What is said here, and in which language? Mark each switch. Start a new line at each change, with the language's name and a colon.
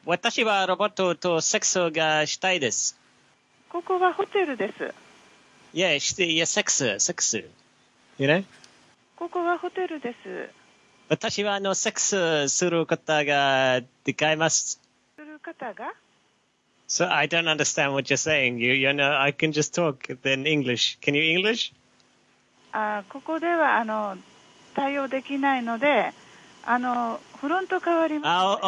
Japanese: 私はロボットとセックスがしたいです。ここはホテルです。
English: Yeah, して、yeah, セックス、セックス。You know?
Japanese: ここはホテルです。私はセックスする方が出会います。する方が
English: ?So I don't understand what you're saying. You know, I can just talk in English. Can you English?
Japanese: ここでは対応できないので、フロント変わります。